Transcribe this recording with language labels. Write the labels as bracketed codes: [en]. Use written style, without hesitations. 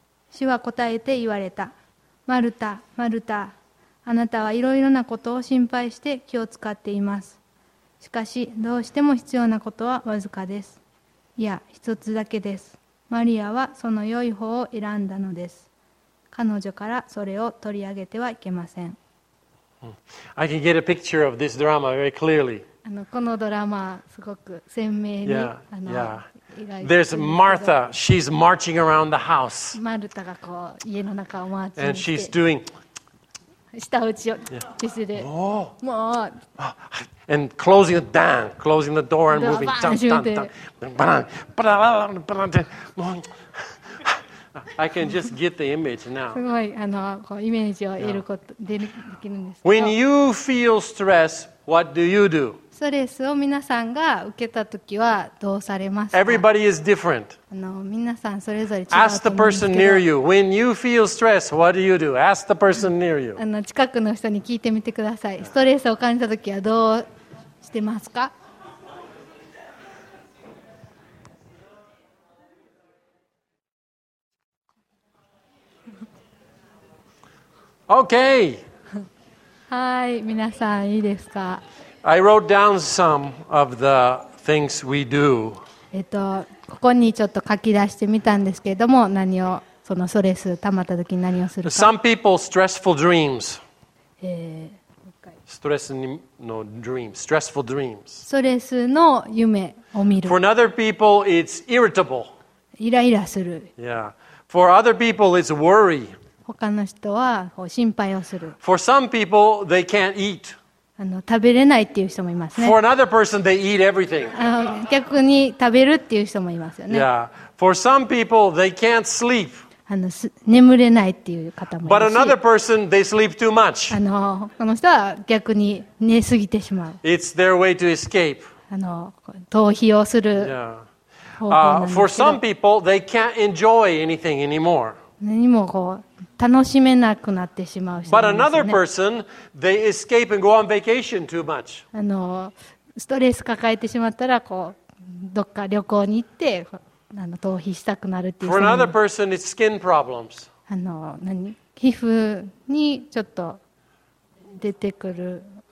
[ja] 主は答えて言われた。マルタ、マルタ、あなたはいろいろなことを心配して気を使っています。しかし、どうしても必要なことはわずかです。いや、一つだけです。マリアはその良い方を選んだのです。彼女からそれを取り上げてはいけません。 [en] I can get a picture of this drama very clearly. [ja] このドラマはすごく鮮明に。 [en] Yeah, yeah. There's Martha. She's marching around the house. [ja] マルタがこう家の中を回って。 [en] And she's doing... [ja] 下打ちを見せて、もう、 [en] and closing the door, closing the door and moving, dun dun dun, ba dun, ba dun, ba dun, ba dun, ba dun. I can just get the image now. [ja] すごいこうイメージを得ることできるんですけど。 [en] When you feel stress, what do you do? [ja] ストレスを皆さんが受けたときはどうされますか? [en] Everybody is different. [ja] 皆さんそれぞれ違 [en] う。Ask the person near you. When you feel stress, what do you do? Ask the person near you. [ja] 近くの人に聞いてみてください。ストレスを感じたときはどうしてますか? [en] Okay. [ja] はい、皆さんいいですか? [en] I wrote down some of the things we do. [ja] ここにちょっと書き出してみたんですけれども、何をそのストレス溜まった時に何をするか。 [en] Some people stressful dreams. Stress の dreams, stressful dreams. [ja] ストレスの夢を見る。 [en] For another people, it's irritable. [ja] イライラする。 [en] Yeah. For other people, it's worry. [ja] 他の人はこう心配をする。 [en] For some people, they can't eat. [ja] 食べれないっていう人もいますね。 [en] For another person, they eat everything. [ja] 逆に食べるっていう人もいますよね。 [en] Yeah. For some people, they can't sleep. [ja] 眠れないっていう方もいるし。 [en] But another person, they sleep too much. [ja] この人は逆に寝すぎてしまう。 [en] It's their way to escape. [ja] 逃避をする方法なんですけど。 [en] For some people, they can't enjoy anything anymore. [ja] 何もこう楽しめなくなってしまう人ですね。 [en] But another person, they escape and go on vacation too much. [ja] ストレス抱えてしまったらこうどっか旅行に行って逃避したくなるっていう。 [en] For another person, it's skin problems. [ja] 皮膚にちょっと出てくる。